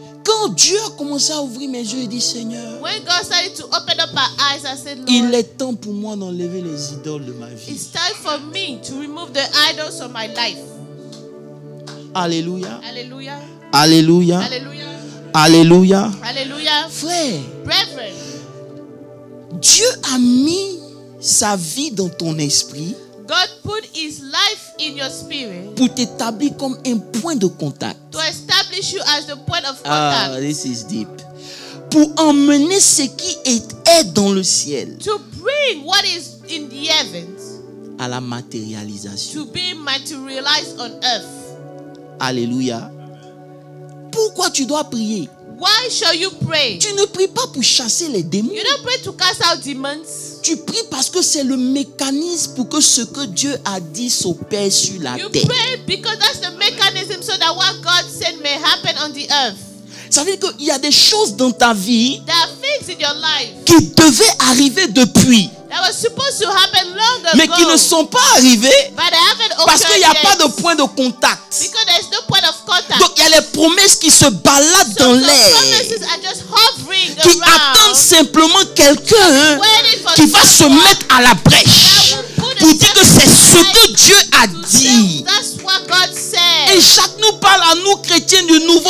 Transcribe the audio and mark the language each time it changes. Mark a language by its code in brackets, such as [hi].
[fr] quand Dieu a commencé à ouvrir mes yeux, il dit Seigneur, [en] when God started to open up our eyes, I said, Lord, [fr] il est temps pour moi d'enlever les idoles de ma vie. [en] It's time for me to remove the idols of my life. Alléluia. Alléluia. Alléluia. Alléluia. Alléluia. Alléluia. [fr] Frère, [en] brethren. [fr] Dieu a mis sa vie dans ton esprit. [en] God put his life in your spirit. [fr] Pour t'établir comme un point de contact. [en] To establish establish you as the point of contact. Ah, this is deep. [fr] Pour emmener ce qui est dans le ciel. [en] To bring what is in the heavens. [fr] À la matérialisation. [en] To be materialized on earth. [fr] Alléluia. Pourquoi tu dois prier? [en] Why shall you pray? [fr] Tu ne pries pas pour chasser les démons. [en] You don't pray to cast out demons. [fr] Tu pries parce que c'est le mécanisme pour que ce que Dieu a dit s'opère sur la terre. [en] You pray because that's the mechanism so that what God said may happen on the earth. [fr] Ça veut dire qu'il y a des choses dans ta vie. [en] There are things in your life. [fr] Qui devaient arriver depuis. [en] That was supposed to happen long ago. [fr] Mais qui ne sont pas arrivés. [en] But they haven't occurred. [fr] Parce qu'il n'y a pas de point de contact. [en] Because there's no point of contact. [fr] Donc il y a les promesses qui se baladent [en] so [fr] dans l'air. [en] Promises are just hovering [fr] qui [en] around. [fr] Attendent simplement quelqu'un qui va se mettre à la brèche. Pour dire que c'est ce que Dieu a dit. [en] That's what God said. [fr] Et Jacques nous parle à nous chrétiens du Nouveau